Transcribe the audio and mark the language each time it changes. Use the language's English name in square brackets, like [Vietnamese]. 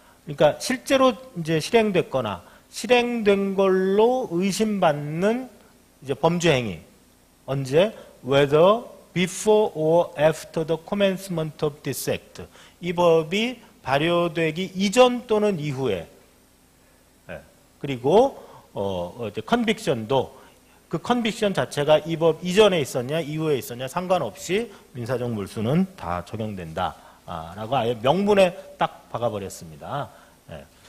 [Korean] 그러니까 실제로 이제 실행됐거나 실행된 걸로 의심받는 이제 범죄 행위. 언제? [English] Whether before or after the commencement of this act. [Korean] 이 법이 발효되기 이전 또는 이후에. 네. 그리고 이제 컨빅션도 그 컨빅션 자체가 이 법 이전에 있었냐 이후에 있었냐 상관없이 민사적 물수는 다 적용된다라고 아예 명분에 딱 박아버렸습니다. 네.